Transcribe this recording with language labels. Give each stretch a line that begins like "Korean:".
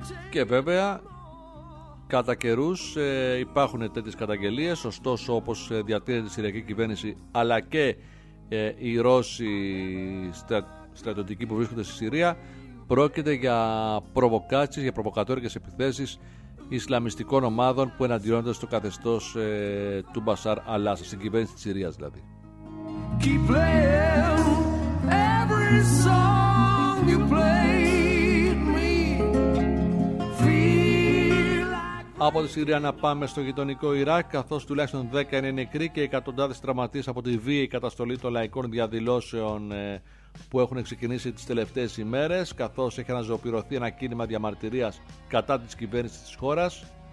Greek: Και βέβαια, κατά καιρούς υπάρχουν τέτοιες καταγγελίες, ωστόσο όπως διατείνεται η Συριακή κυβέρνηση αλλά και οι Ρώσοι στρατιωτικοί που βρίσκονται στη Συρία, πρόκειται για προβοκάτσεις, για προβοκατόρικες επιθέσεις ισλαμιστικών ομάδων που εναντιώνονται στο καθεστώς του Μπασάρ αλ-Άσαντ, στην κυβέρνηση της Συρίας δηλαδή.
English: Keep playing every song you played me. Feel like...
Greek: Από τη Συρία να πάμε στο γειτονικό Ιράκ, καθώς τουλάχιστον 10 είναι νεκροί και εκατοντάδες τραυματίες από τη βίαιη καταστολή των λαϊκών διαδηλώσεων που έχουν ξεκινήσει τις τελευταίες ημέρες, καθώς έχει αναζωοποιηθεί ένα κίνημα διαμαρτυρίας κατά της κυβέρνησης της χώρας.